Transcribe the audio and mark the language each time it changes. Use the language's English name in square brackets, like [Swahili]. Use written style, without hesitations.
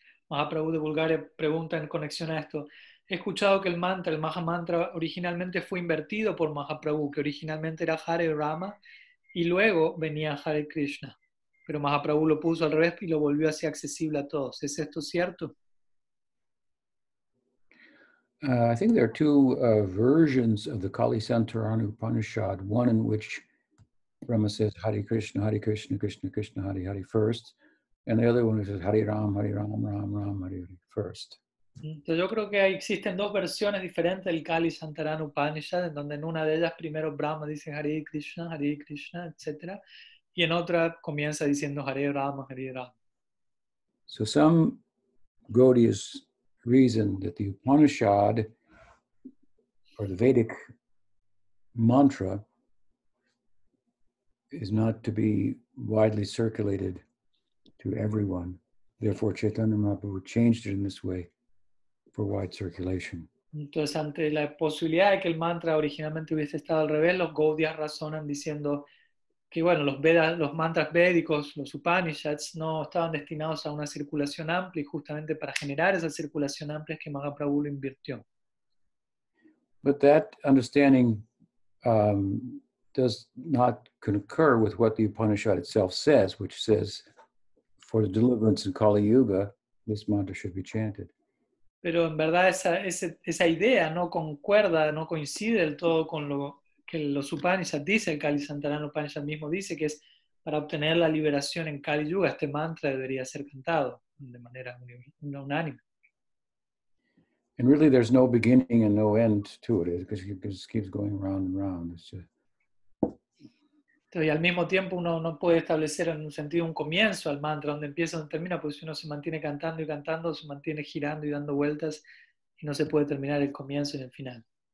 [Spanish] Mahaprabhu de Bulgaria pregunta en conexión a esto. He escuchado que el mantra, el Maha Mantra, originalmente fue invertido por Mahaprabhu, que originalmente era Hare Rama, y luego venía Hare Krishna. Pero Mahaprabhu lo puso al revés y lo volvió así accesible a todos. ¿Es esto cierto? [English] I think there are two versions of the Kali Santarana Upanishad. One in which Brahma says Hare Krishna, Krishna, Krishna, Hare Hare first. And the other one is Hari Ram, Ram, Ram, Ram, Hari first. [Spanish] Entonces yo creo que existen dos versiones diferentes del Kali Santarana Upanishad, en donde en una de ellas primero Brahma dice Hari Krishna, etc. Y en otra comienza diciendo Hari Ram, Hari Ram. [English] So some Gaudiya's reason that the Upanishad or the Vedic mantra is not to be widely circulated to everyone. Therefore, Chaitanya Mahaprabhu changed it in this way for wide circulation. [Spanish] Entonces, ante la posibilidad de que el mantra originalmente hubiese estado al revés, los Gaudiyas razonan diciendo que, bueno, los Vedas, los mantras védicos, los Upanishads, no estaban destinados a una circulación amplia, y justamente para generar esa circulación amplia es que Mahaprabhu lo invirtió. [English] But that understanding does not concur with what the Upanishad itself says, which says, for the deliverance in Kali Yuga, this mantra should be chanted. [Spanish] Pero en verdad esa idea no concuerda, no coincide del todo con lo que los Upanishads dice, el Kali Santarana Upanishad mismo dice que es para obtener la liberación en Kali Yuga, este mantra debería ser cantado de manera unánime. [English] And really there's no beginning and no end to it, because it just keeps going round and round. It's just... [Spanish] Y al mismo tiempo uno no puede establecer en un sentido un comienzo al mantra, donde empieza, donde termina, porque si uno se mantiene cantando y cantando, se mantiene girando y dando vueltas, y no se puede terminar el comienzo y el final.